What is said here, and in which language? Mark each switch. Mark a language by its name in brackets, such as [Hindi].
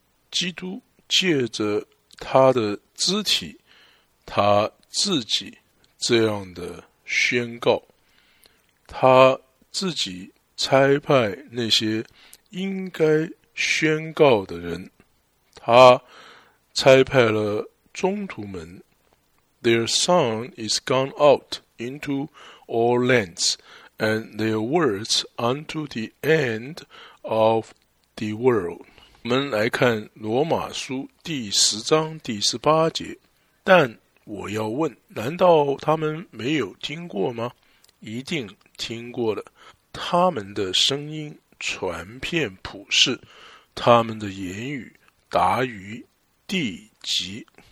[Chinese] 基督借着他的肢体，他自己这样的宣告，他自己差派那些应该宣告的人，他差派了宗徒们。 [English] Their sound is gone out into all lands, and their words unto the end of the world. [Chinese] 我们来看罗马书第十章第十八节，但我要问，难道他们没有听过吗？一定听过了。他们的声音传遍普世，他们的言语达于地极。